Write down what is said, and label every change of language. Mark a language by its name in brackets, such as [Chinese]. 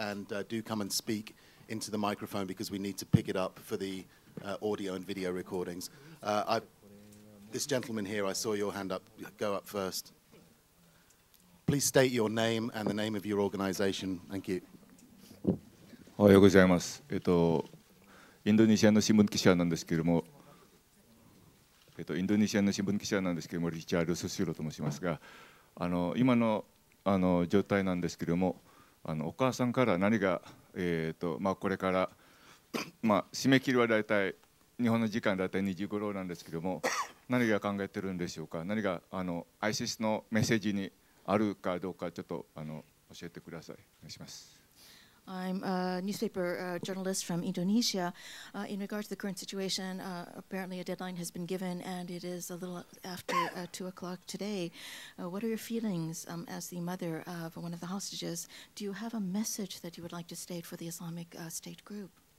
[English] And do come and speak into the microphone because we need to pick it up for the audio and video recordings. This gentleman here, I saw your hand up. Go up first. Please state your name and the name of your organization. Thank you. [Japanese] おはようございます。インドネシアの新聞記者なんですけれども、インドネシアの新聞記者なんですけれども、リチャール・スシューロと申しますが、今の、状態なんですけれども、お母さんから何が、これから、締め切りは大体、日本の時間大体2時頃なんですけれども、何が考えてるんでしょうか、何が ISIS のメッセージにあるかどうか、ちょっと教えてください。お願いします。 [English] I'm a newspaper journalist from Indonesia. In regard to the current situation, apparently a deadline has been given and it is a little after 2 o'clock today. What are your feelings as the mother of one of the hostages? Do you have a message that you would like to state for the Islamic State group?